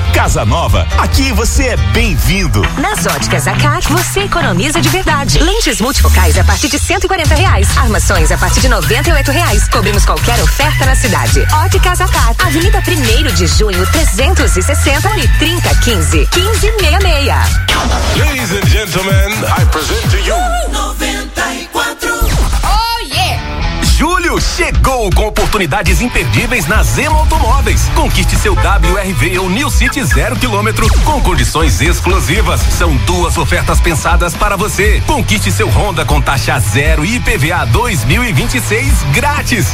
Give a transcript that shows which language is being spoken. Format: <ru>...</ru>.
<pt>Casa Nova, aqui você é bem-vindo. Nas Óticas Acar, você economiza de verdade. Lentes multifocais a partir de R$140. Armações a partir de R$98. Cobrimos qualquer oferta na cidade. Óticas Acar, Avenida 1º de Junho, 360 e 3015, 1566.</pt> <en>Ladies and gentlemen, I present to you</en> <pt>94. Julho chegou com oportunidades imperdíveis na Zema Automóveis. Conquiste seu WRV ou New City 0 km com condições exclusivas. São duas ofertas pensadas para você. Conquiste seu Honda com taxa zero e IPVA 2026 grátis.</pt>